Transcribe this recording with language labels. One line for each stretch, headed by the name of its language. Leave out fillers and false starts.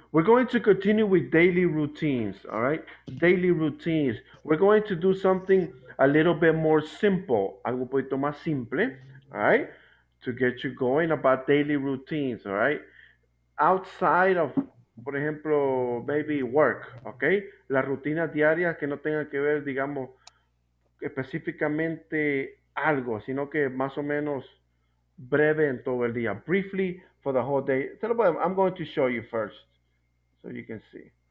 English: We're going to continue with daily routines, all right? Daily routines. We're going to do something a little bit more simple.
Spanish: Algo poquito más simple,
English: all right? To get you going about daily routines, all right? Outside of,
Spanish: por ejemplo,
English: maybe work, okay?
Spanish: Las rutinas diarias que no tengan que ver, digamos, específicamente algo, sino que más o menos breve en todo el día.
English: Briefly for the whole day. I'm going to show you first so you can see.